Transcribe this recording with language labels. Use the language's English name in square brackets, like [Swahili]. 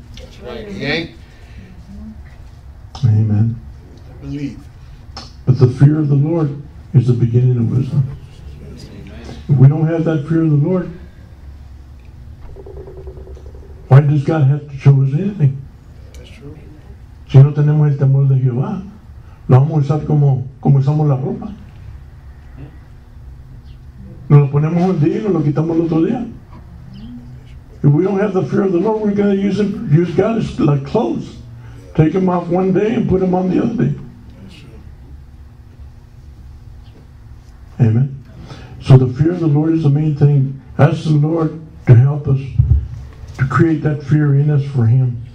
[English] That's right. He ain't. Amen. I believe. But the fear of the Lord is the beginning of wisdom. Amen. If we don't have that fear of the Lord, why does God have to show us anything? That's true. [Spanish] Si no tenemos el temor de Jehová, lo vamos a usar como usamos la ropa. Nos lo ponemos un día y nos lo quitamos el otro día. [English] If we don't have the fear of the Lord, we're going to use God as like clothes. Take them off one day and put them on the other day. That's true. Amen. So the fear of the Lord is the main thing. Ask the Lord to help us to create that fear in us for him.